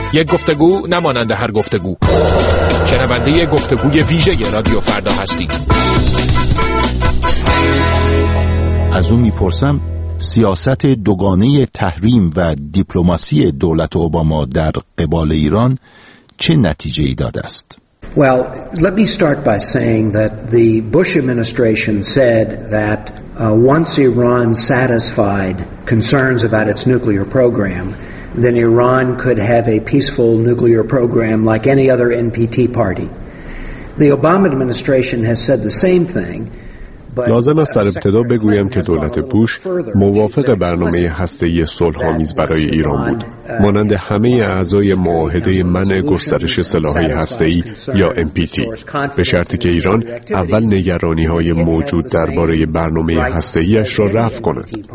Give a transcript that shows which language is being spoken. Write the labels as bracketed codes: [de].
[fa] یک گفتگو نمانند هر گفتگو، شنونده یک گفتگوی ویژه رادیو فردا هستید. از اون میپرسم سیاست دوگانه تحریم و دیپلماسی دولت اوباما در قبال ایران چه نتیجه ای داده است؟ [en] Well, let me start by saying that the Bush administration said that once Iran satisfied concerns about its nuclear program, then Iran could have a peaceful nuclear program like any other NPT party. The Obama administration has said the same thing. [fa] لازم است در ابتدا بگویم که دولت بوش موافق برنامه هسته‌ای صلح‌آمیز برای ایران بود. مانند همه اعضای معاهده منع گسترش سلاح‌های هسته‌ای یا MPT، به شرطی که ایران اول نگرانی‌های موجود درباره برنامه هسته‌ایش را رفع کند.